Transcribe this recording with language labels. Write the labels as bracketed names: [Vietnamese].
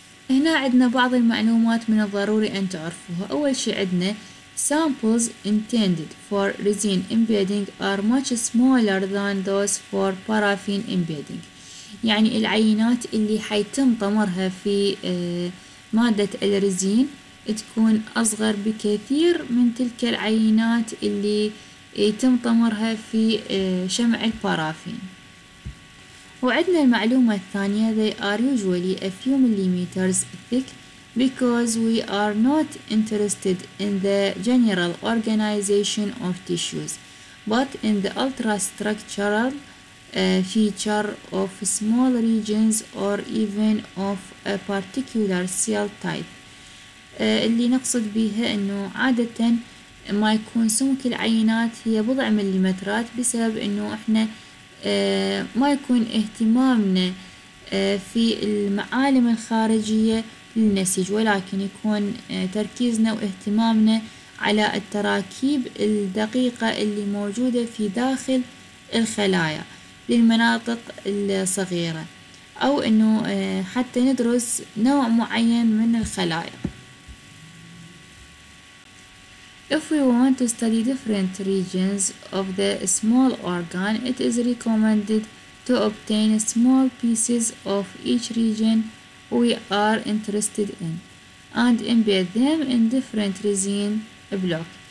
[Arabic] هنا عندنا بعض المعلومات من الضروري أن تعرفوها. أول شيء عندنا [English] samples intended for resin embedding are much smaller than those for paraffin embedding، [Arabic] يعني العينات اللي حيتم طمرها في مادة الرزين تكون أصغر بكثير من تلك العينات اللي يتم طمرها في شمع البارافين. وعندنا المعلومة الثانية [English] they are usually a few millimeters thick because we are not interested in the general organization of tissues، But in the ultrastructural feature of small regions or even of a particular cell type. [Arabic] اللي نقصد بها انه عادة ما يكون سمك العينات هي بضع مليمترات بسبب انه احنا ما يكون اهتمامنا في المعالم الخارجية للنسيج، ولكن يكون تركيزنا واهتمامنا على التراكيب الدقيقة اللي موجودة في داخل الخلايا للمناطق الصغيرة، أو إنه حتى ندرس نوع معين من الخلايا. [English] If we want to study different regions of the small organ, it is recommended to obtain small pieces of each region we are interested in and embed them in different resin block.